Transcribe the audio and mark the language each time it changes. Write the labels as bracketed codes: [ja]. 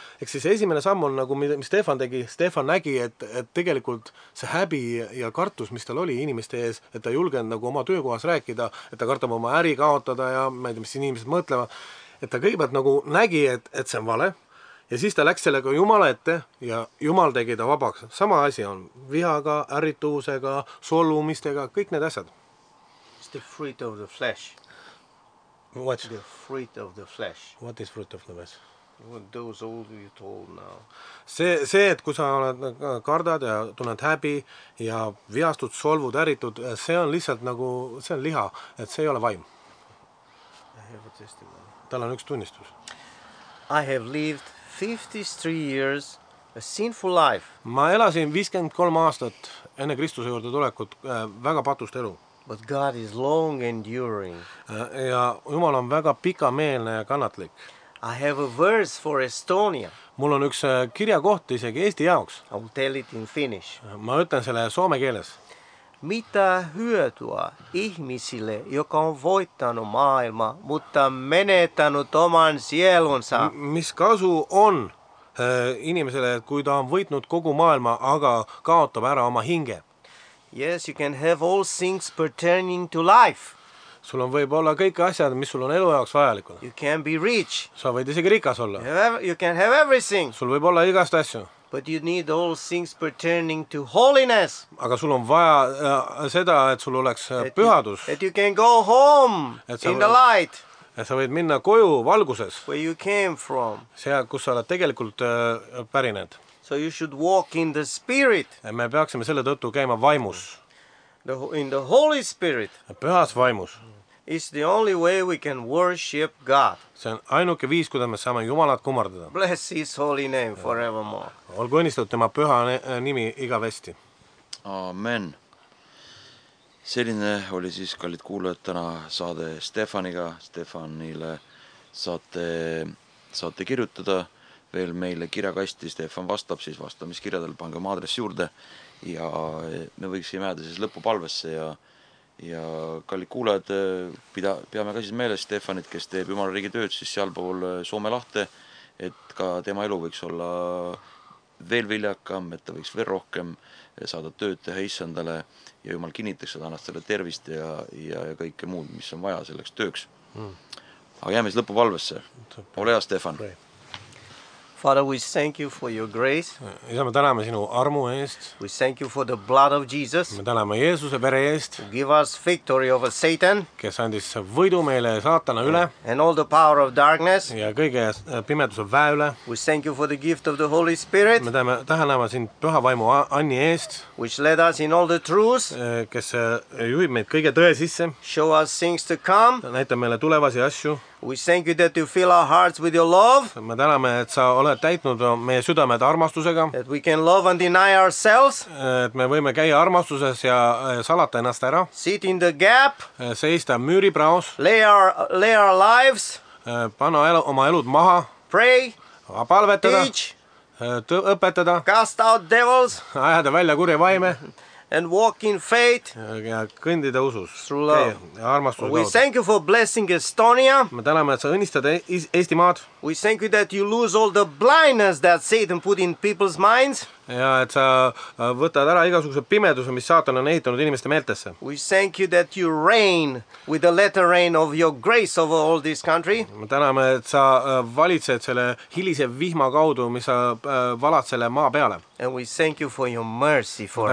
[et] Eks siis esimene samm on nagu, mis Stefan tegi, Stefan nägi, et tegelikult see häbi ja kartus, mis tal oli inimeste ees, et ta julgen nagu oma töökohas rääkida, et ta kartab oma äri kaotada ja ma ei tea, mis siin inimesed mõtlema, et ta kõigepealt nagu nägi, et see on vale. Ja siis ta läks sellega Jumala ette ja Jumal tegi ta vabaks. Sama asi on vihaga, ärrituusega, solvumistega, kõik need asjad. [en] It's the fruit of the flesh. What? The fruit of the flesh. What is fruit of the flesh? Those all you told now. [et] See, et kui sa oled kardad ja tunned häbi ja vihastud, solvud, ärritud, see on lihtsalt nagu, see on liha, et see ei ole vaim. [en] I have a testimony. [et] Tal on üks tunnistus. [en] I have lived 53 years a sinful life. [et] Ma elasin 53 aastat enne Kristuse juurde tulekut väga patust elu. [en] But God is long enduring. [et] Ja Jumal on väga pika meelne ja kannatlik. [en] I have a verse for Estonia. [et] Mul on üks kirjakoht isegi Eesti jaoks. [en] I will tell it in Finnish. [et] Ma ütlen selle soome keeles. [fi] Mitä hyötyä ihmisille, joka on voittanut maailma, mutta menetänyt oman sielunsa? [et] Mis kasu on inimesele, kui ta on võitnud kogu maailma, aga kaotab ära oma hinge? [en] Yes, you can have all things pertaining to life. [et] Sul on võib olla kõik asjad, mis sul on elu jaoks vajalikud. [en] You can be rich. [et] Sa võid isegi rikas olla. [en] You can have everything. [et] Sul võib olla igast asju. [en] But you need all things pertaining to holiness. [et] Aga sul on vaja seda, et sul oleks pühadus. [en] That you can go home in the light. [et] Et sa võid minna koju valguses. [en] Where you came from. [et] See, kus sa oled tegelikult pärinenud. [en] So you should walk in the spirit. [et] Me peaksime selle tõttu käima vaimus. [en] In the Holy Spirit. [et] Pühas vaimus. [en] It's the only way we can worship God. [et] See on ainuke viis, kuidas me saame Jumalat kummardada. [en] Bless his holy name forevermore. [et] Olgu õnnistatud tema püha nimi igavesti. Amen. Selline oli siis kallid kuulajad täna saade Stefaniga. Stefanile saate kirjutada veel meile kirjakasti. Stefan vastab siis vastamiskirjadel, pange oma aadress juurde. Ja me võiksime jääda siis lõpupalvesse ja kallid kuulajad, peame ka siis meeles Stefanit, kes teeb Jumala riigi tööd siis seal pool Soome lahte, et ka tema elu võiks olla veel viljakam, et ta võiks veel rohkem saada tööd teha issandale ja Jumal kinnitaks seda annast selle tervist ja kõike muud, mis on vaja selleks tööks. Aga jääme siis lõpupalvesse. Ole hea, Stefan! [en] Father, we thank you for your grace. [et] Isa, me täname sinu armu eest. [en] We thank you for the blood of Jesus. [et] Me täname Jeesuse vere eest. [en] Give us victory over Satan. [et] Kes andis võidu meile saatana üle. [en] And all the power of darkness. [et] Ja kõige pimeduse väe üle. [en] We thank you for the gift of the Holy Spirit. [et] Me täname siin püha vaimu anni eest. [en] Which led us in all the truth. [et] Kes juhib meid kõige tõe sisse. [en] Show us things to come. [et] Näita meile tulevasi asju. [en] We thank you that you fill our hearts with your love. [et] Me täname, et sa oled täitnud meie südamed armastusega. [en] That we can love and deny ourselves. [et] Et me võime käia armastuses ja salata ennast ära. [en] Sit in the gap. [et] Seista müüripraus. [en] Lay our lives. [et] Pano oma elud maha. [en] Pray. [et] Palvetada. [en] Teach. [et] Õpetada. [en] Cast out devils. [et] Ajada välja kurje vaime. [en] And walk in faith. [et] Ja kõndida usus. [en] Through love. [et] Ja armastus kaudu. [en] We thank you for blessing Estonia. [et] Me täname, et sa õnnistad Eesti maad. [en] We thank you that you lose all the blindness that Satan put in people's minds. [et] Ja et sa võtad ära igasuguse pimeduse, mis Saatan on ehitanud inimeste meeltesse. [en] We thank you that you reign with the latter rain of your grace over all this country. [et] Me täname, et sa valitsed selle hilise vihma kaudu, mis sa valad selle maa peale. [en] And we thank you for your mercy for us.